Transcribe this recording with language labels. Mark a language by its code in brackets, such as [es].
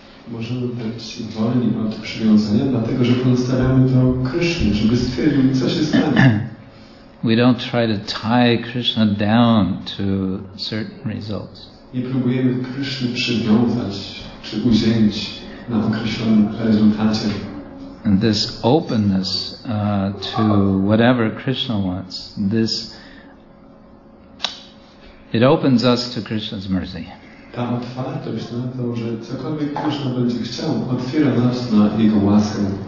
[pl] Możemy być wolni od przywiązania, dlatego że pozostawiamy to Krishna, żeby stwierdził, co się stanie. [en] We don't try to tie Krishna down to certain results. [pl] Nie próbujemy Krishna przywiązać czy uzięć na określonym rezultacie. [en] And this openness to whatever Krishna wants, this, it opens us to Krishna's mercy. [pl] Ta otwartość na to, że cokolwiek Krishna będzie chciał, otwiera nas na Jego łaskę.